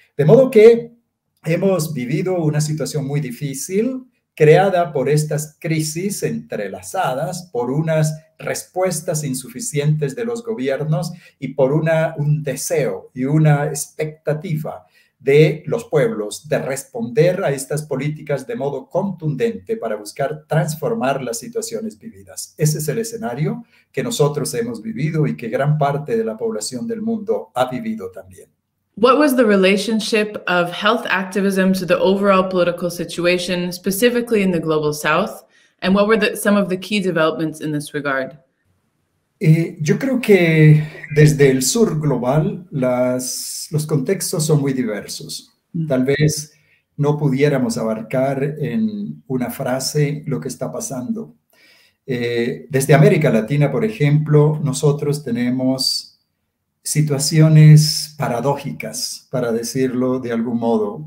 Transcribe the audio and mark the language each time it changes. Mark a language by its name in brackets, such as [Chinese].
[Spanish] De modo que hemos vivido una situación muy difícil creada por estas crisis entrelazadas, por unas respuestas insuficientes de los gobiernos y por un deseo y una expectativa de los pueblos de responder a estas políticas de modo contundente para buscar transformar las situaciones vividas. Ese es el escenario que nosotros hemos vivido y que gran parte de la población del mundo ha vivido también. [English] What was the relationship of health activism to the overall political situation, specifically in the Global South? And what were some of the key developments in this regard? [Spanish] Yo creo que desde el sur global los contextos son muy diversos. Tal vez no pudiéramos abarcar en una frase lo que está pasando. Desde América Latina, por ejemplo, nosotros tenemos situaciones paradójicas, para decirlo de algún modo.